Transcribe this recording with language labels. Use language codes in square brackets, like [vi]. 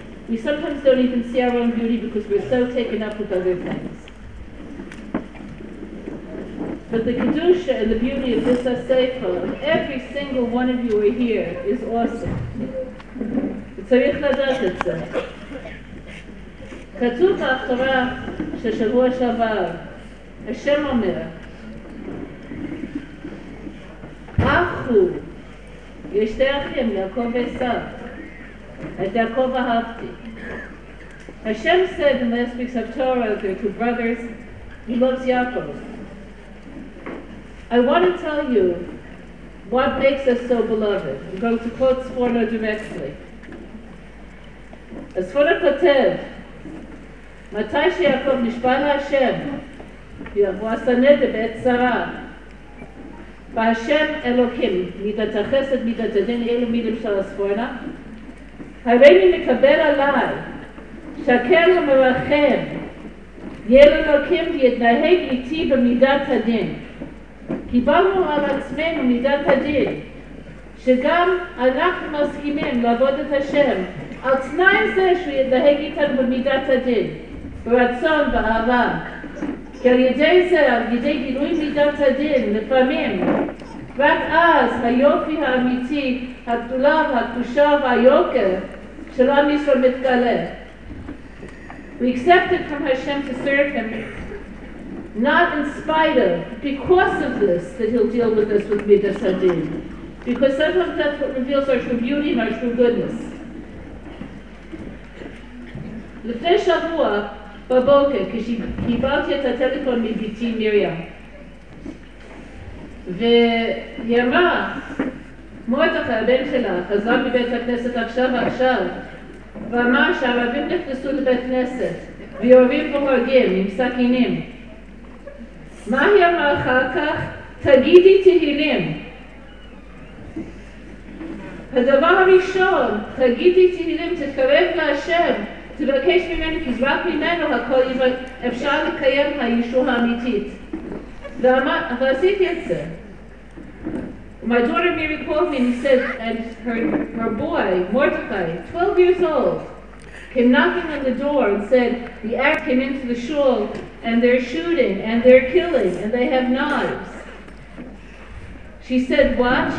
[en] We sometimes don't even see our own beauty because we're so taken up with other things. But the kedusha and the beauty of this asefa, every single one of you are here, is awesome. [he] צריך לדעת את זה. כתוב באחרא ששבוע שעבר, השם אומר, אחו, יש שתי אחים, יעקב ועשיו. את יעקב אהבתי. [en] השם said in the last weeks of Torah, there are two brothers, he loves Yaakov. I want to tell you what makes us so beloved. I'm going to quote Sforno directly. As [he] Sforno כותב, מתי שיעקב נשבע להשם, הוא עשה נדר בעת צרה. בהשם אלוקים, מידת החסד, מידת הדין, אלו מידים של הספורנה. הרי מי מקבל עליי, שקר ומרחם, יהיה אלוקים ויתנהג איתי במידת הדין. קיבלנו על עצמנו מידת הדין, שגם אנחנו מסכימים לעבוד את השם, על תנאי זה שהוא יתנהג איתנו במידת הדין, ברצון, באהבה. כי על ידי זה, על ידי גילוי מידת הדין, לפעמים, רק אז היופי האמיתי, הגדולה והקדושה והיוקר של עם ישראל מתגלה. [en] We accepted from Hashem to serve him, not in spite of, because of this, that he'll deal with us with midas hadin. Because sometimes that's what reveals our true beauty and our true goodness. [he] לפני שבוע, בבוקר, כשקיבלתי את הטלפון מביתי מיריאם, והיא אמרה, מורדכי, הבן שלה, חזר מבית הכנסת עכשיו, ואמר שהערבים נכנסו לבית כנסת, ויורים והורגים עם סכינים. מה היא אמרה אחר כך? תגידי תהילים. הדבר הראשון, תגידי תהילים, תתקרב להשם, תבקש ממנו, כי רק ממנו הכל אפשר לקיים הישוע האמיתית. ועשיתי את זה. [en] My daughter Mary called me and said, and her boy, Mordechai, 12 years old, came knocking on the door and said, the act came into the shul and they're shooting and they're killing and they have knives. She said, what?